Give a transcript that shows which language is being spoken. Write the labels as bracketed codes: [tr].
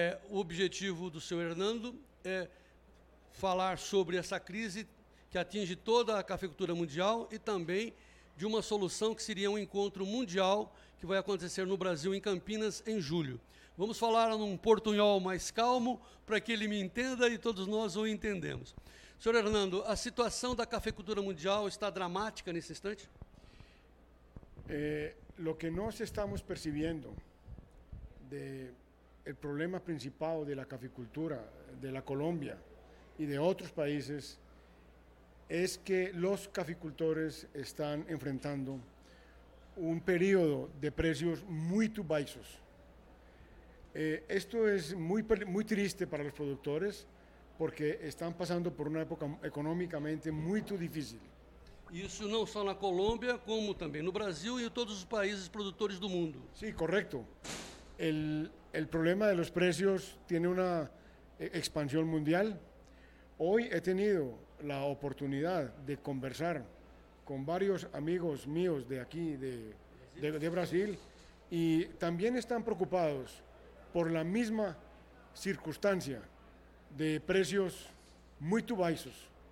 [pt] O objetivo do senhor Hernando é falar sobre essa crise que atinge toda a cafeicultura mundial e também de uma solução que seria um encontro mundial que vai acontecer no Brasil, em Campinas, em julho. Vamos falar num portunhol mais calmo para que ele me entenda e todos nós o entendemos. Senhor Hernando, a situação da cafeicultura mundial está dramática nesse instante? [es] Lo que nós estamos percibiendo de el problema principal de la cafeicultura de la Colombia y de otros países es que los caficultores están enfrentando un periodo de precios muy bajos. Esto es muy, muy triste para los productores porque están pasando por una época económicamente muy difícil. [pt] Isso não só na Colômbia, como também no Brasil e em todos os países produtores do mundo. Sim, sí, correto. [es] El problema de los precios tiene una expansión mundial. Hoy he tenido la oportunidad de conversar con varios amigos míos de aquí, de Brasil, y también están preocupados por la misma circunstancia de precios muy bajos.